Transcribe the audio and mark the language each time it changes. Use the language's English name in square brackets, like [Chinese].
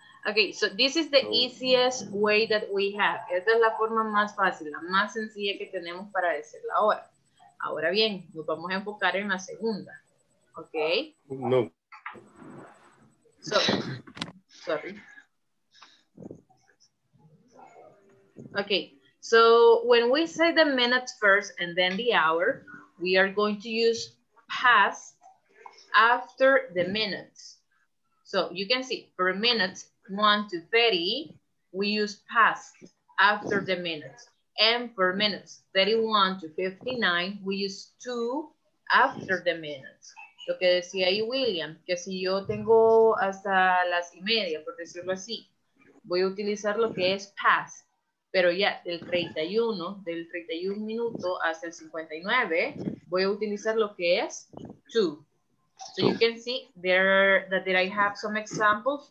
[English] Ok, so this is the easiest way that we have. [Spanish] Esta es la forma más fácil, la más sencilla que tenemos para decir la hora. Ahora bien, nos vamos a enfocar en la segunda. [English] Ok. No. So, sorry. Okay, so when we say the minutes first and then the hour, we are going to use past after the minutes. So you can see for minutes 1 to 30, we use past after the minutes. And for minutes 31 to 59, we use to after the minutes. [Spanish] Lo que decía ahí William, que si yo tengo hasta las y media, por decirlo así, voy a utilizar lo que es past. Pero ya del 31, del 31 minuto hasta el 59, voy a utilizar lo que es to. [English] So you can see there that I have some examples.